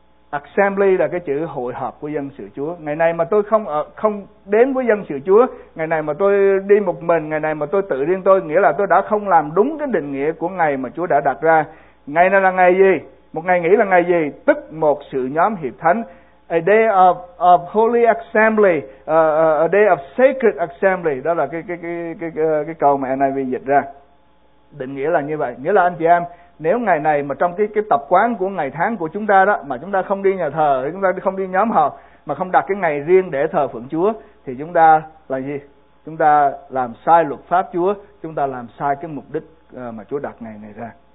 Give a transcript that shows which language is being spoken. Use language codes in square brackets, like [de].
[vi] Assembly là cái chữ hội họp của dân sự Chúa. Ngày này mà tôi không đến với dân sự Chúa, ngày này mà tôi đi một mình, ngày này mà tôi tự riêng tôi, nghĩa là tôi đã không làm đúng cái định nghĩa của ngày mà Chúa đã đặt ra. Ngày này là ngày gì? Một ngày nghỉ là ngày gì? Tức một sự nhóm hiệp thánh. [en] A day of holy assembly, a day of sacred assembly. [vi] Đó là cái câu mà NIV dịch ra. Định nghĩa là như vậy. Nghĩa là anh chị em, nếu ngày này mà trong cái tập quán của ngày tháng của chúng ta đó, mà chúng ta không đi nhà thờ, chúng ta không đi nhóm họp, mà không đặt cái ngày riêng để thờ phượng Chúa, thì chúng ta là gì? Chúng ta làm sai luật pháp Chúa, chúng ta làm sai cái mục đích mà Chúa đặt ngày này ra.